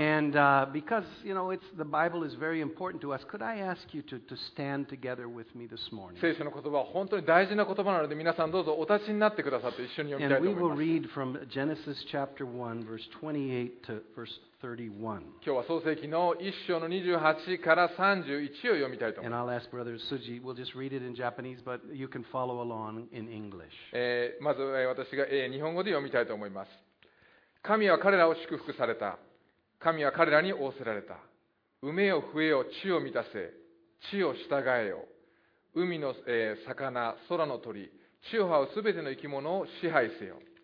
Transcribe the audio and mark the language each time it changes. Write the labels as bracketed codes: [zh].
[en] And because you know it's the Bible is very important to us, could I ask you to stand together with me this morning? [ja] 聖書の言葉は本当に大事な言葉なので、皆さんどうぞお立ちになってくださって一緒に読みたいと思います。 [en] And we will read from Genesis chapter 1, verse 28 to verse 31. [ja] 今日は創世記の一章の28から31を読みたいと思います。 [en] And I'll ask Brother Suji, we'll just read it in Japanese, but you can follow along in English. [ja] まず私が日本語で読みたいと思います。神は彼らを祝福された。神は彼らに仰せられた。産めよ、増えよ、地を満たせ、地を従えよ。海の魚、空の鳥、地を這うすべての生き物を支配せよ。